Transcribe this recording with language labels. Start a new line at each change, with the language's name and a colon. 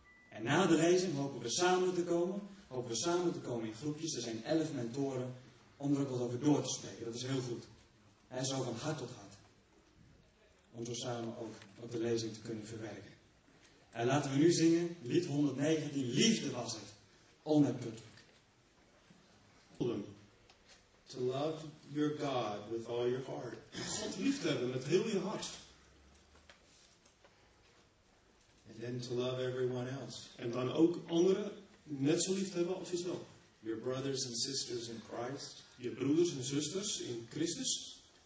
Dutch: En na de lezing hopen we samen te komen. Hopen we samen te komen in groepjes. Er zijn 11 mentoren om er ook wat over door te spreken. Dat is heel goed. En zo van hart tot hart. Om zo samen ook op de lezing te kunnen verwerken. En laten we nu zingen, lied 119, liefde was het, onuitputtelijk.
English: To love your God with all your heart.
Dutch: God lief te hebben met heel je hart.
English: And then to love everyone else.
Dutch: En dan ook anderen net zo lief te hebben als jezelf.
English: Your brothers and sisters in Christ.
Dutch: Je broeders en zusters in Christus.